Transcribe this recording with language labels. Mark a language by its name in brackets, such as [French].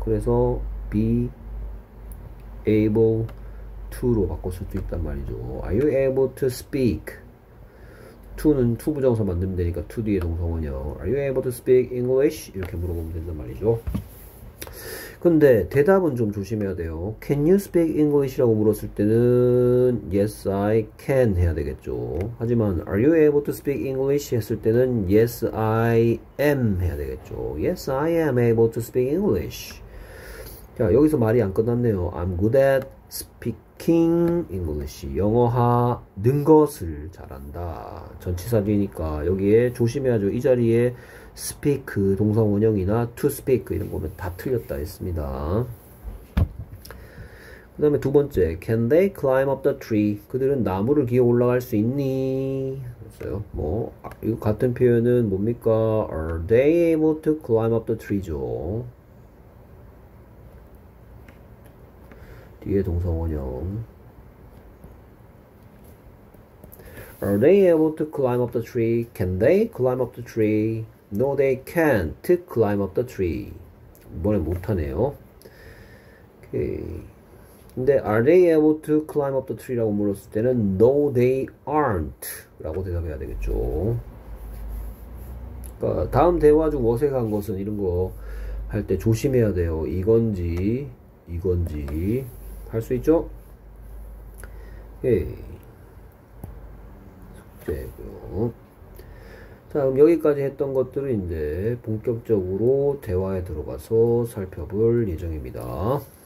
[Korean] 그래서 be able to로 바꿀 수도 있단 말이죠. [English] Are you able to speak? to는 to 부정사 만들면 되니까 to 뒤에 동사원형 Are you able to speak English? [Korean] 이렇게 물어보면 된단 말이죠. 근데 대답은 좀 조심해야 돼요. [English] Can you speak English라고 물었을 때는 Yes, I can [Korean] 해야 되겠죠. [English] 하지만 Are you able to speak English 했을 때는 Yes, I am [Korean] 해야 되겠죠. [English] Yes, I am able to speak English. [Korean] 자, 여기서 말이 안 끝났네요. [English] I'm good at speaking English. [Korean] 영어하 는 것을 잘한다. 전치사 뒤니까 여기에 조심해야죠. 이 자리에 speak 동사 원형이나 to speak 이런 거면 다 틀렸다 했습니다. [English] 그다음에 두 번째, Can they climb up the tree? [Korean] 그들은 나무를 기어 올라갈 수 있니? 했어요. 뭐 이거 같은 표현은 뭡니까? [English] Are they able to climb up the tree죠? [Korean] 뒤에 동사 원형. [English] Are they able to climb up the tree? Can they climb up the tree? No, they can't climb up the tree. [Korean] 이번에 못하네요. 오케이. [English] 근데 Are they able to climb up the tree라고 물었을 때는 No, they aren't [Korean] 라고 대답해야 되겠죠. 그러니까 다음 대화 중 어색한 것은 이런 거할때 조심해야 돼요. 이건지 이건지 할수 있죠? 오케이. 숙제고요. 자, 그럼 여기까지 했던 것들을 이제 본격적으로 대화에 들어가서 살펴볼 예정입니다.